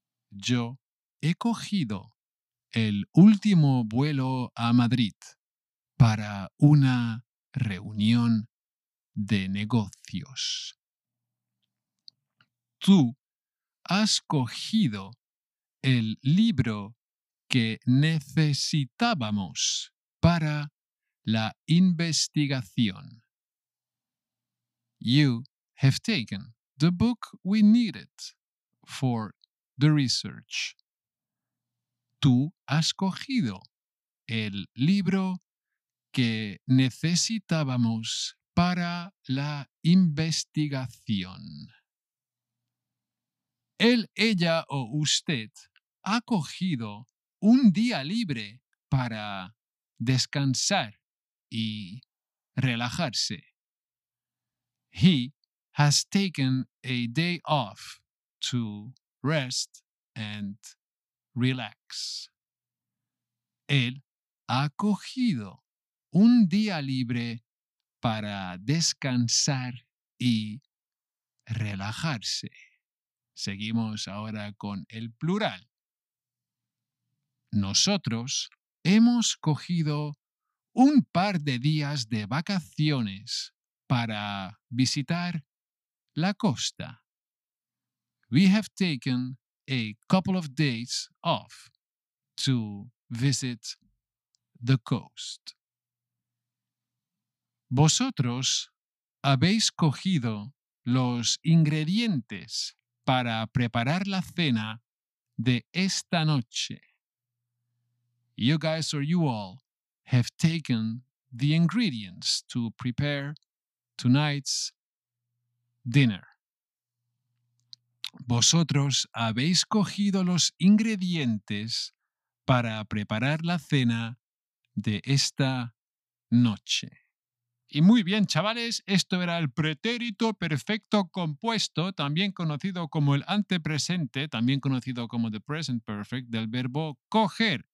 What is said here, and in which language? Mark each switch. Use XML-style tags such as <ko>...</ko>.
<es>Yo he cogido el último vuelo a Madrid para una reunión de negocios. Tú has cogido el libro que necesitábamos para la investigación.</es> <en>You have taken the book we needed for the research.</en> <es>Tú has cogido el libro que necesitábamos para la investigación. Él, ella o usted ha cogido un día libre para descansar y relajarse.</es> <en>He has taken a day off to rest and relax.</en> <es>Él ha cogido un día libre para descansar y relajarse. Seguimos ahora con el plural. Nosotros hemos cogido un par de días de vacaciones para visitar la costa.</es> <en>We have taken a couple of days off to visit the coast.</en> <es>Vosotros habéis cogido los ingredientes para preparar la cena de esta noche.</es> <en>You guys or you all have taken the ingredients to prepare tonight's dinner.</en> <es>Vosotros habéis cogido los ingredientes para preparar la cena de esta noche. Y muy bien, chavales, esto era el pretérito perfecto compuesto, también conocido como el antepresente, también conocido como</es> <en>the present perfect,</en> <es>del verbo coger.</es>